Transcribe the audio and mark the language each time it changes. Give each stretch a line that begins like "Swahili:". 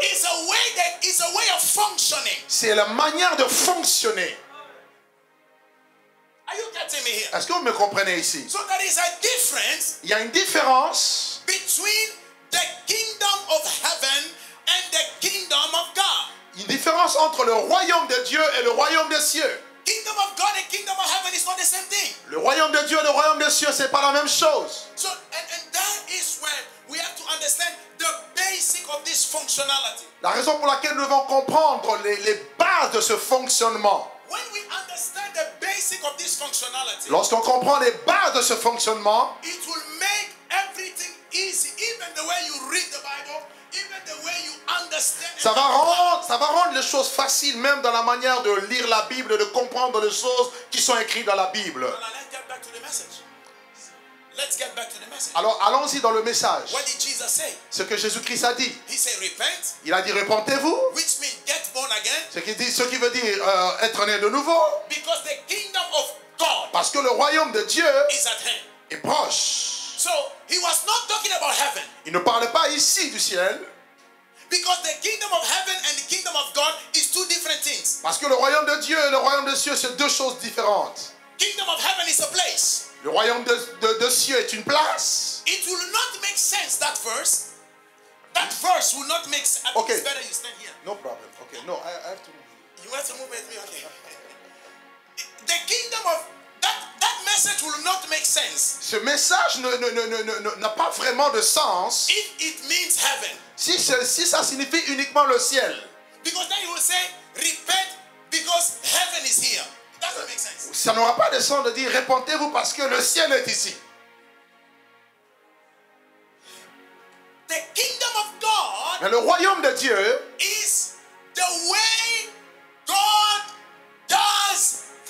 English: is a way that is a way of functioning.
French: C'est la manière de fonctionner.
English: Are you getting me here?
French: Est-ce que vous me comprenez ici?
English: So there is a difference.
French: Il y a une différence
English: between the kingdom of heaven and the kingdom of God.
French: Une différence entre le royaume de Dieu et le royaume des cieux.
English: Kingdom of God and kingdom of heaven is not the same thing.
French: Le royaume de Dieu et le royaume des cieux, c'est pas la même chose.
English: So and that is where we have to understand the basic of this functionality.
French: La raison pour laquelle nous devons comprendre les bases de ce fonctionnement.
English: When we understand the basic of this functionality,
French: lorsqu'on comprend les bases de ce fonctionnement,
English: it will make everything easy, even the way you read the Bible, even the way you understand.
French: Ça va rendre les choses faciles, même dans la manière de lire la Bible, de comprendre les choses qui sont écrites dans la Bible.
English: Well, let's get back to the message. Let's get back to the message.
French: Alors allons-y dans le message.
English: What did Jesus say?
French: Ce que Jésus-Christ a dit.
English: He said, repent.
French: Il a dit, repentez-vous.
English: Which means get born again.
French: Ce qui veut dire être né de nouveau.
English: Because the kingdom of God.
French: Parce que le royaume de Dieu
English: is at hand.
French: Est proche.
English: So he was not talking about heaven.
French: Il ne parlait pas ici du ciel.
English: Because the kingdom of heaven and the kingdom of God is two different things.
French: Parce que le royaume de Dieu et le royaume des cieux, c'est deux choses différentes.
English: Kingdom of heaven is a place.
French: Le royaume de cieux est une place.
English: It will not make sense, that verse. That verse will not make sense. Okay. It's better you stand here. No problem. Okay, no, I have to move. You have to move with me, okay. The kingdom of that message will not make sense.
French: Ce message ne n'a pas vraiment de sens.
English: If it means heaven.
French: Si ça signifie uniquement le ciel.
English: Because then you will say, repent because heaven is here. That doesn't make sense.
French: Ça n'aura pas de sens de dire repentez-vous parce que le ciel est ici.
English: The kingdom of God.
French: Mais le royaume de Dieu
English: is the way God does.